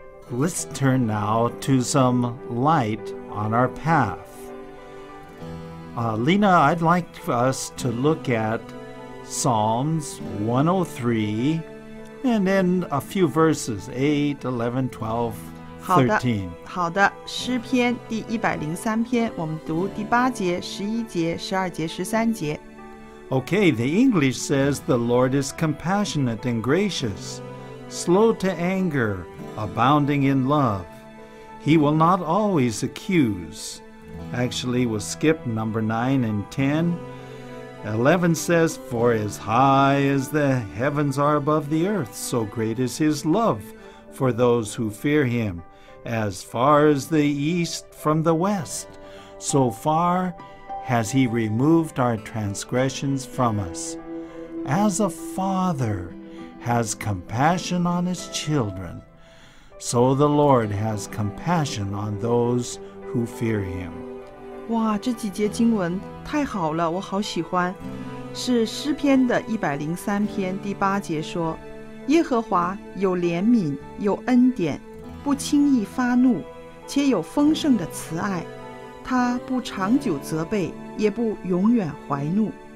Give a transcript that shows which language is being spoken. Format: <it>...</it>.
<en>Let's turn now to some light on our path. Lena, I'd like us to look at Psalms 103 and then a few verses, 8, 11, 12, 13.</en> <zh>好的，好的，诗篇第103篇，我们读第八节、11节、12节、13节。</zh> <en>Okay, the English says, The Lord is compassionate and gracious, slow to anger, abounding in love. He will not always accuse. Actually, we'll skip number 9 and 10. 11 says, For as high as the heavens are above the earth, so great is his love for those who fear him. As far as the east from the west, so far has he removed our transgressions from us. As a father has compassion on his children, so the Lord has compassion on those who fear him.</en> <zh>哇，这几节经文太好了，我好喜欢。是诗篇的103篇第八节说，耶和华有怜悯，有恩典，不轻易发怒，且有丰盛的慈爱，他不长久责备，也不永远怀怒。</zh>